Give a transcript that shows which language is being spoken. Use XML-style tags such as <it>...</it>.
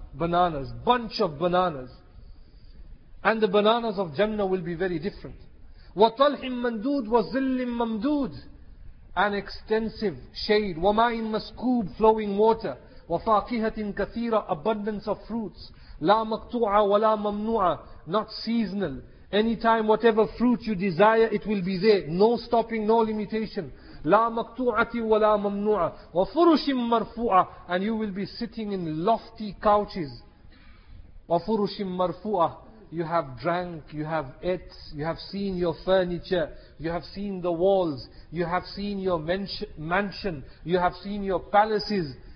<en>Bananas, bunch of bananas. And the bananas of Jannah will be very different.</en> <ar>وَطَلْحٍ مَنْدُودٍ وَظِلٍ مَمْدُودٍ.</ar> <en>An extensive shade.</en> <ar>وَمَاءٍ مَسْكُوبٍ,</ar> <en>flowing water.</en> <ar>وَفَاقِهَةٍ كَثِيرَةٍ,</ar> <en>abundance of fruits.</en> <ar>لَا مَقْطُوعَ وَلَا مَمْنُوعَ,</ar> <en>not seasonal. Anytime, whatever fruit you desire, it will be there. No stopping, no limitation.</en> <ar>لَا مَقْتُوعَةِ وَلَا مَمْنُوعَ وَفُرُشٍ مَرْفُوعَ.</ar> <en>And you will be sitting in lofty couches.</en> <ar>وَفُرُشٍ مَرْفُوعَ.</ar> <en>You have drank, you have ate, you have seen your furniture, you have seen the walls, you have seen your mansion, you have seen your palaces.</en>